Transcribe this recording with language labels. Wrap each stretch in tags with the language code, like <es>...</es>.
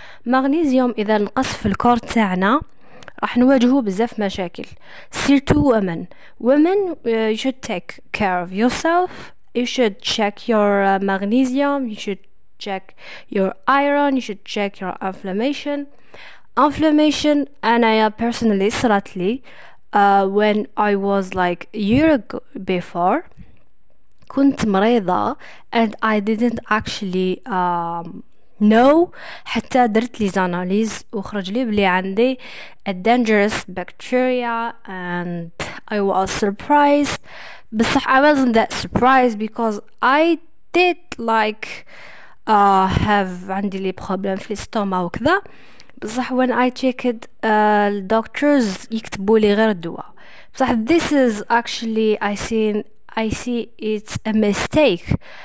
<ar>Magnesium إذا نقص في الكور تاعنا راح نواجهو بزاف مشاكل.</ar> <en>سيرتو women you should take care of yourself, you should check your magnesium, you should check your iron, you should check your inflammation. Inflammation</en> <ar>انا</ar> <en>personally</en> <ar>صرات لي</ar> <en>when I was like a year ago before</en> <ar>كنت مريضة</ar> <en>and I didn't actually know</en> <ar>حتى درت لي زاناليز وخرج لي بلي عندي</ar> <en>a dangerous bacteria and I was surprised.</en> <ar>بصح</ar> <en>I wasn't that surprised because I did like have</en> <ar>عندي لي</ar> <en>problem</en> <ar>في الستومة وكذا. بصح</ar> <en>when I checked doctors</en> <ar>يكتبوا لي غير الدواء. بصح</ar> <en>this is actually I see it's a mistake.</en>